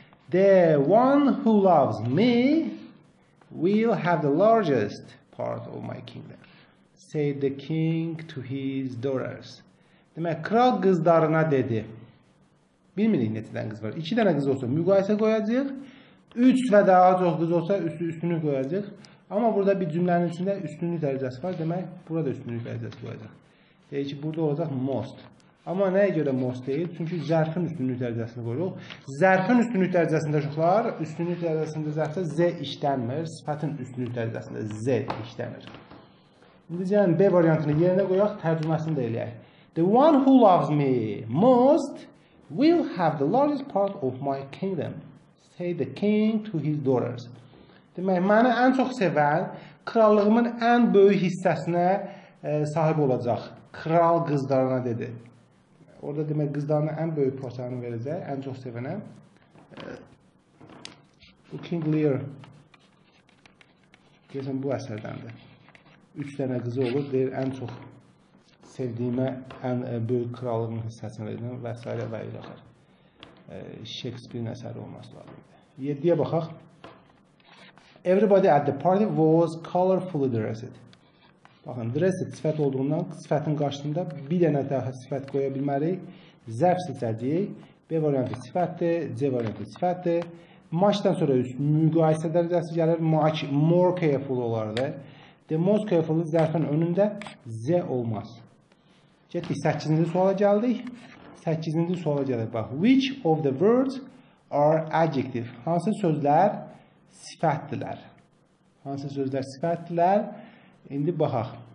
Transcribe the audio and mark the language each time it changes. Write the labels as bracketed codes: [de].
[en] The one who loves me will have the largest part of my kingdom. Said the king to his daughters. [az] Demək, kral qızlarına dedi. Bilmirik neçə dənə qız var. İki dənə qız olsa müqayisə qoyacaq. Üç və daha çox qız olsa üstünü qoyacaq. Amma burada bir cümlənin içində üstünlük dərəcəsi var. Demək, burada üstünlük dərəcəsi qoyacaq. Deyir ki, burada olacaq most. Amma nəyə görə most deyil? Çünki zərfin üstünlük dərəcəsini qoyuruq. Zərfin üstünlük dərəcəsində uşaqlar, üstünlük dərəcəsində zərfdə Z işlənmir. Sifətin üstünlük dərəcəsində Z işlənir. İndi gəlin B variantını yerinə qoyaq, tərcüməsini də eləyək. [en] The one who loves me most will have the largest part of my kingdom. Say the king to his daughters. [az] Demək, məni ən çox sevən, krallığımın ən böyük hissəsinə sahib olacaq. Kral qızlarına dedi. Orada demək, qızlarına ən böyük parçanı verəcək, ən çox sevənə. Bu King Lear. Deyəsən, bu əsərdəndir. Üç dənə qızı olur, deyir, ən çox sevdiyimə ən böyük krallığın hissəsini verəcəm və s. və ilə xər. Shakespeare-in əsəri olması lazımdır. 7-yə baxaq. [en] Everybody at the party was colorfully dressed. [az] Baxın, dress sifət olduğundan sifətin qarşısında bir dənə daha sifət qoya bilməliyik. Zərf seçəcəyik. B variantı sifətdir, C variantı sifətdir. Maçdan sonra müqayisə dərəcəsi gəlir. [en] Maç more careful [az] olardı. [en] The most careful [az] zərfin önündə Z olmaz. Getdik 8-ci suala gəldik. 8-ci suala gəlir. Bax, [en] which of the words are adjective? [az] Hansı sözlər sifətdirlər? Hansı sözlər sifətdirlər? İndi baxaq.